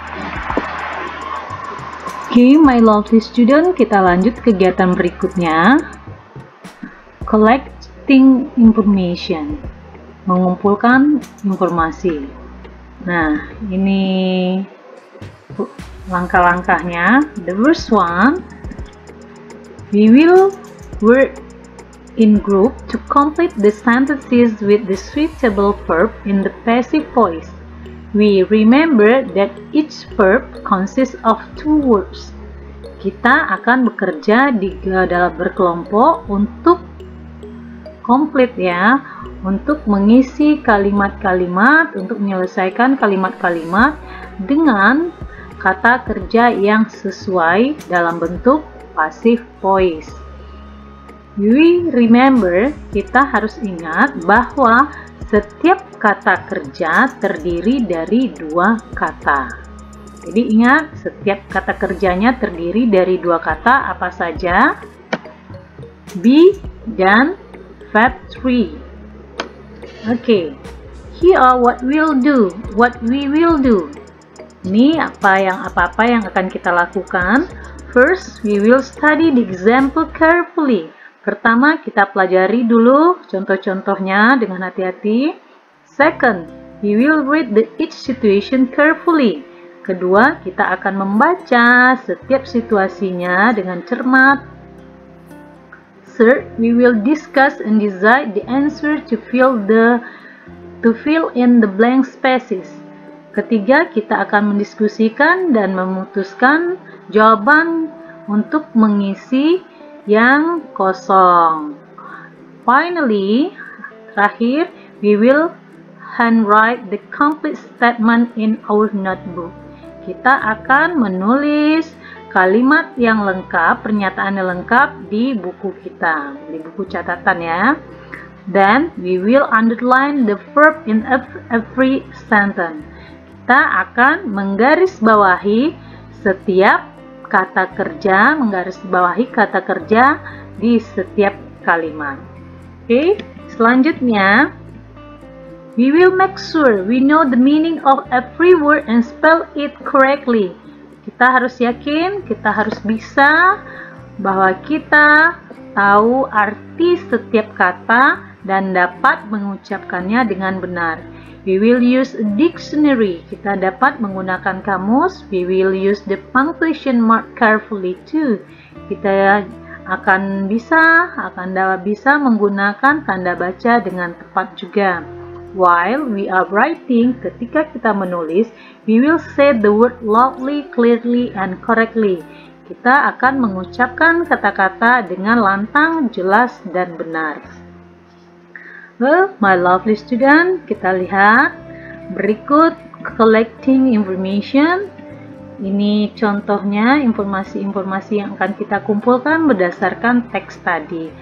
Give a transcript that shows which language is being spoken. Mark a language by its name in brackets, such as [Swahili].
[Indonesian] Oke, [English] my lovely student, [Indonesian] kita lanjut kegiatan berikutnya. [English] Collecting information. [Indonesian] Mengumpulkan informasi. Nah, ini langkah-langkahnya. [English] The first one, we will work in group to complete the sentences with the suitable verb in the passive voice. We remember that each verb consists of two words. [Indonesian] Kita akan bekerja di dalam berkelompok untuk complete, ya, untuk mengisi kalimat-kalimat, untuk menyelesaikan kalimat-kalimat dengan kata kerja yang sesuai dalam bentuk passive voice. [English] We remember, [Indonesian] kita harus ingat bahwa setiap kata kerja terdiri dari dua kata. Jadi ingat, setiap kata kerjanya terdiri dari dua kata, apa saja? Be dan verb 3. Okay. [English] Here are what we'll do, what we will do. [Indonesian] Ini apa-apa yang akan kita lakukan. [English] First, we will study the example carefully. [Indonesian] Pertama, kita pelajari dulu contoh-contohnya dengan hati-hati. [English] Second, we will read the each situation carefully. [Indonesian] Kedua, kita akan membaca setiap situasinya dengan cermat. [English] Third, we will discuss and decide the answer to fill in the blank spaces. [Indonesian] Ketiga, kita akan mendiskusikan dan memutuskan jawaban untuk mengisi yang kosong. [English] Finally, [Indonesian] terakhir, [English] we will handwrite the complete statement in our notebook. [Indonesian] Kita akan menulis kalimat yang lengkap, pernyataan yang lengkap di buku kita, di buku catatan, ya. [English] Then we will underline the verb in every sentence. [Indonesian] Kita akan menggarisbawahi setiap kata kerja, menggarisbawahi kata kerja di setiap kalimat. Oke, selanjutnya [English] We will make sure we know the meaning of every word and spell it correctly. [Indonesian] Kita harus yakin, kita harus bisa bahwa kita tahu arti setiap kata dan dapat mengucapkannya dengan benar. [English] We will use a dictionary. [Indonesian] Kita dapat menggunakan kamus. [English] We will use the punctuation mark carefully too. [Indonesian] Kita akan bisa menggunakan tanda baca dengan tepat juga. [English] While we are writing, [Indonesian] ketika kita menulis, [English] we will say the word loudly, clearly, and correctly. [Indonesian] Kita akan mengucapkan kata-kata dengan lantang, jelas, dan benar. [English] Well, my lovely student, [Indonesian] kita lihat berikut [English] collecting information. [Indonesian] Ini contohnya informasi-informasi yang akan kita kumpulkan berdasarkan teks tadi.